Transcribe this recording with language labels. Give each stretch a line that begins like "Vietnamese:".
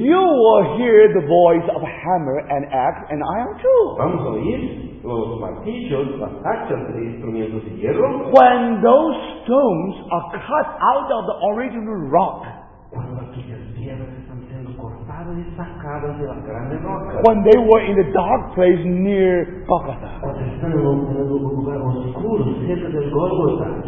English: You will hear the voice of hammer and axe and iron tool.
Spanish: Vamos a oír los martillos, las hachas de instrumentos de hierro.
English: When those stones are cut out of the original rock.
Spanish: Cuando aquellas piedras están siendo cortadas y sacadas de la grande roca.
English: When they were in the dark place near Bogota.
Spanish: Cuando están en un lugar oscuro, cerca del Gólgota.